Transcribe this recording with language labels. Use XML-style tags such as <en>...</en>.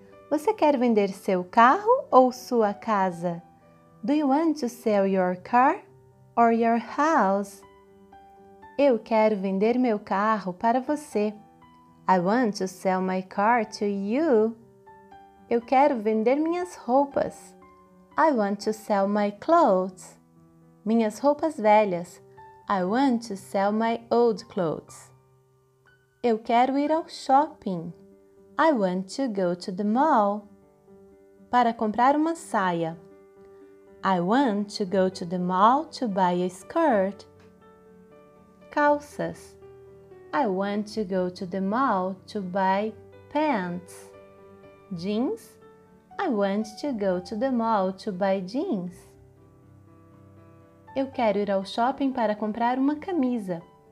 <pt>Você quer vender seu carro ou sua casa?</pt> <en>Do you want to sell your car or your house?</en> <pt>Eu quero vender meu carro para você.</pt> <en>I want to sell my car to you.</en> <pt>Eu quero vender minhas roupas.</pt> <en>I want to sell my clothes.</en> <pt>Minhas roupas velhas.</pt> <en>I want to sell my old clothes.</en> <pt>Eu quero ir ao shopping.</pt> <en>I want to go to the mall.</en> <pt>Para comprar uma saia.</pt> <en>I want to go to the mall to buy a skirt.</en> <pt>Calças.</pt> <en>I want to go to the mall to buy pants. Jeans. I want to go to the mall to buy jeans.</en> <pt>Eu quero ir ao shopping para comprar uma camisa.</pt>